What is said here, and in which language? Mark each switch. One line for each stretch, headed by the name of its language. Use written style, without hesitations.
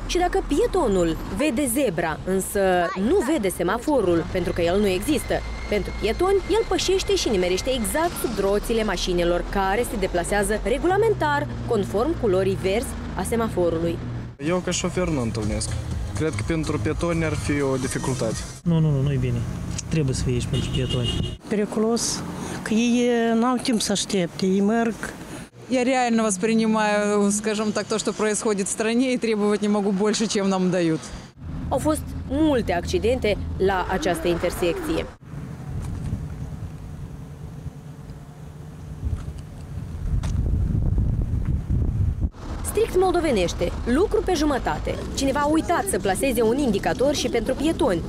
Romanian: Și dacă pietonul vede zebra, însă nu vede semaforul, pentru că el nu există, pentru pietoni, el pășește și nimerește exact sub roțile mașinilor care se deplasează regulamentar, conform culorii verzi a semaforului. Eu ca șofer nu întâlnesc. Cred că pentru pietoni ar fi o dificultate. Nu e bine. Trebuie să fie aici pentru pietoni. Periculos, că ei n-au timp să aștepte, ei merg.
Russian: Я реально воспринимаю, скажем так, то, что происходит в стране и требовать не могу больше, чем нам дают.
Romanian: Au fost multe accidente la această intersecție. Strict moldovenește, lucru pe jumătate. Cineva a uitat să placeze un indicator și pentru pietoni.